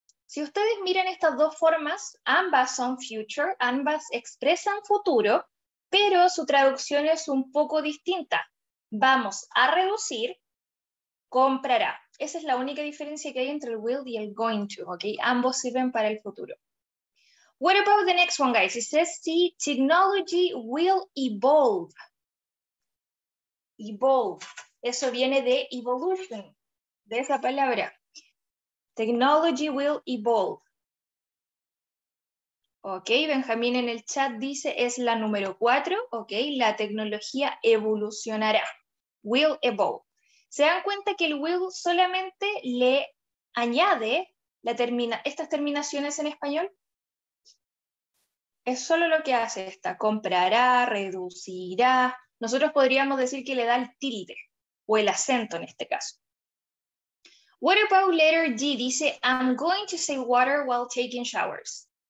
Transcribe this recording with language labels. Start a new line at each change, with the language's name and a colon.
Spanish: Si ustedes miran estas dos formas, ambas son future, ambas expresan futuro, pero su traducción es un poco distinta. Vamos a reducir, comprará. Esa es la única diferencia que hay entre el will y el going to, ¿ok? Ambos sirven para el futuro.
English: What about the next one, guys? It says, the technology will evolve.
Spanish: Evolve. Eso viene de evolution, de esa palabra.
English: Technology will evolve.
Spanish: Ok, Benjamín en el chat dice, es la número 4. Ok, la tecnología evolucionará.
English: Will evolve.
Spanish: Se dan cuenta que el will solamente le añade estas terminaciones en español. Es solo lo que hace esta, comprará, reducirá. Nosotros podríamos decir que le da el tilde o el acento en este caso.
English: What about letter D? Dice, I'm going to say water while taking showers.